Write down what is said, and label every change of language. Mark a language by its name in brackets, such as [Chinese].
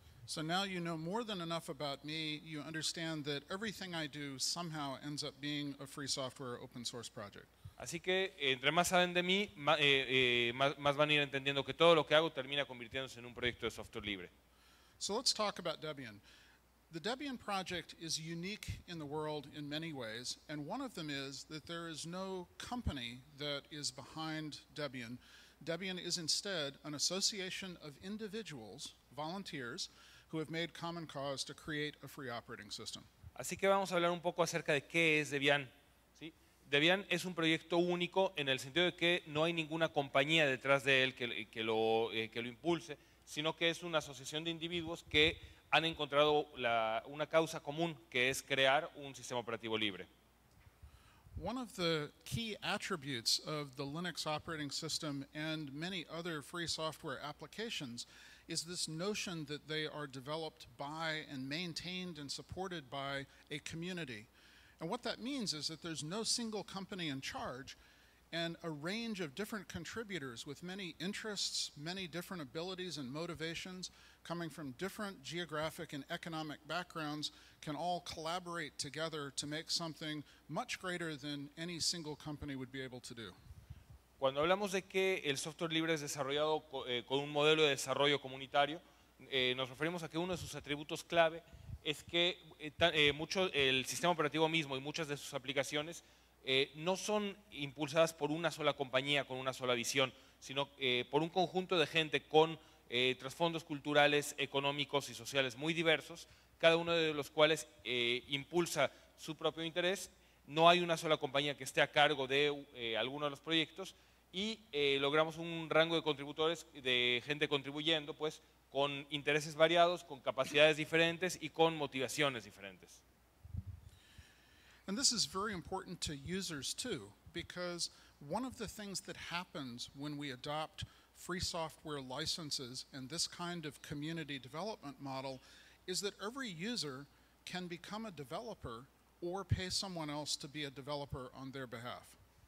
[English] So now you know more than enough about me. You understand that everything I do somehow ends up being a free software open source project. [Spanish] Así que entre más saben de mí, más van a ir entendiendo que todo lo que hago termina convirtiéndose en un proyecto de software libre. [English] So let's talk about Debian. The Debian project is unique in the world in many ways, and one of them is that there is no company that is behind Debian. Debian is instead an association of individuals, volunteers, who have made common cause to create a free operating system. [Spanish] Así que vamos a hablar un poco acerca de qué es Debian. ¿Sí? Debian es un proyecto único en el sentido de que no hay ninguna compañía detrás de él que lo impulse, sino que es una asociación de individuos que han encontrado una causa común, que es crear un sistema operativo libre. [English] One of the key attributes of the Linux operating system and many other free software applications is this notion that they are developed by and maintained and supported by a community. And what that means is that there's no single company in charge, and a range of different contributors with many interests, many different abilities and motivations, coming from different geographic and economic backgrounds, can all collaborate together to make something much greater than any single company would be able to do. [Spanish] Cuando hablamos de que el software libre es desarrollado con un modelo de desarrollo comunitario, nos referimos a que uno de sus atributos clave es que el sistema operativo mismo y muchas de sus aplicaciones no son impulsadas por una sola compañía con una sola visión, sino por un conjunto de gente con trasfondos culturales, económicos y sociales muy diversos, cada uno de los cuales impulsa su propio interés. No hay una sola compañía que esté a cargo de alguno de los proyectos y logramos un rango de contributores, de gente contribuyendo, pues, con intereses variados, con capacidades diferentes y con motivaciones diferentes. [English] And this is very important to users too, because one of the things that happens when we adopt free software licenses and this kind of community development model is that every user can become a developer or pay someone else to be a developer on their behalf.